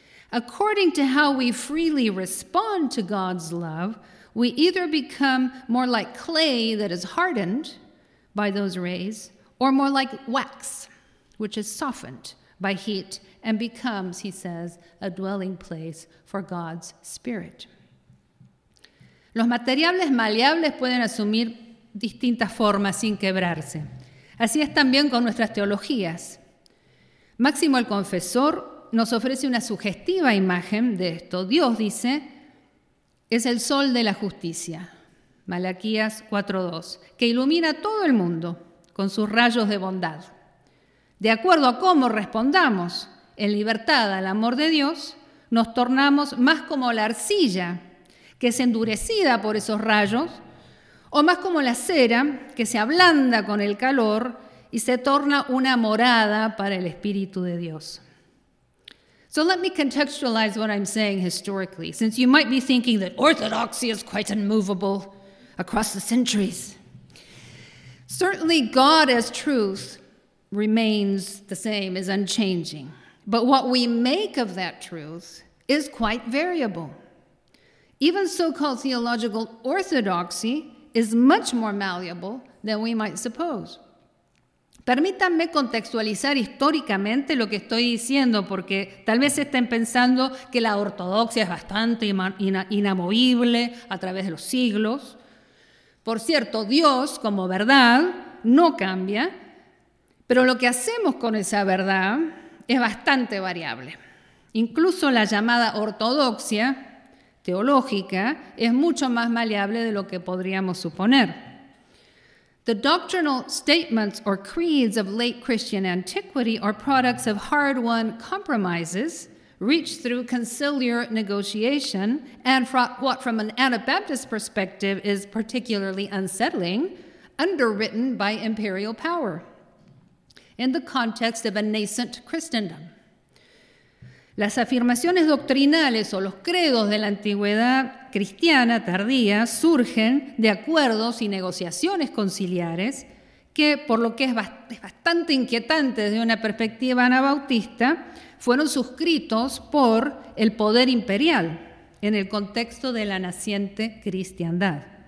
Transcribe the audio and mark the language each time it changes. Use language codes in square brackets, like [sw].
[en] According to how we freely respond to God's love, we either become more like clay that is hardened by those rays, or more like wax, which is softened by heat and becomes, he says, a dwelling place for God's Spirit. [es] Los materiales maleables pueden asumir distintas formas sin quebrarse. Así es también con nuestras teologías. Máximo el Confesor nos ofrece una sugestiva imagen de esto. Dios, dice, es el sol de la justicia, Malaquías 4:2, que ilumina todo el mundo con sus rayos de bondad. De acuerdo a cómo respondamos en libertad al amor de Dios, nos tornamos más como la arcilla que es endurecida por esos rayos, o más como la cera que se ablanda con el calor y se torna una morada para el Espíritu de Dios. [en] So let me contextualize what I'm saying historically, since you might be thinking that orthodoxy is quite unmovable across the centuries. Certainly God as truth remains the same, is unchanging. But what we make of that truth is quite variable. Even so-called theological orthodoxy is much more malleable than we might suppose. [es] Permítanme contextualizar históricamente lo que estoy diciendo, porque tal vez estén pensando que la ortodoxia es bastante inamovible a través de los siglos. Por cierto, Dios, como verdad, no cambia, pero lo que hacemos con esa verdad es bastante variable. Incluso la llamada ortodoxia teológica es mucho más maleable de lo que podríamos suponer. [en] The doctrinal statements or creeds of late Christian antiquity are products of hard-won compromises reached through conciliar negotiation and what from an Anabaptist perspective is particularly unsettling, underwritten by imperial power in the context of a nascent Christendom. [es] Las afirmaciones doctrinales o los credos de la antigüedad cristiana tardía surgen de acuerdos y negociaciones conciliares que, por lo que es bastante inquietante desde una perspectiva anabautista, fueron suscritos por el poder imperial en el contexto de la naciente cristiandad.